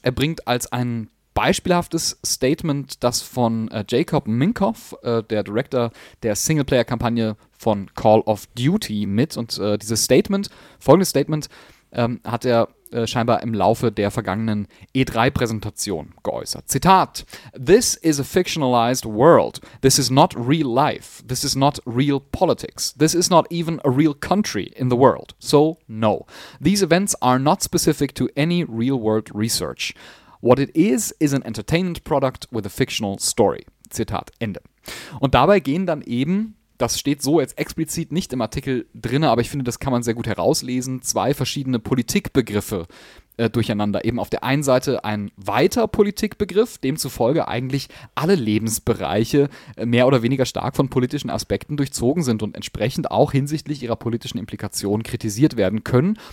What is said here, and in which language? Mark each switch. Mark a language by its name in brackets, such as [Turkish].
[German] Er bringt als ein beispielhaftes Statement das von Jacob Minkoff, der Director der Singleplayer-Kampagne von Call of Duty, mit. Und dieses Statement, folgendes Statement, hat er scheinbar im Laufe der vergangenen E3-Präsentation geäußert. [English] Zitat: This is a fictionalized world. This is not real life. This is not real politics. This is not even a real country in the world. So, no. These events are not specific to any real-world research. What it is an entertainment product with a fictional story. [German] Zitat Ende. Und dabei gehen dann eben, das steht so jetzt explizit nicht im Artikel drin, aber ich finde, das kann man sehr gut herauslesen, zwei verschiedene Politikbegriffe durcheinander. Eben auf der einen Seite ein weiter Politikbegriff, demzufolge eigentlich alle Lebensbereiche mehr oder weniger stark von politischen Aspekten durchzogen sind und entsprechend auch hinsichtlich ihrer politischen Implikationen kritisiert werden können.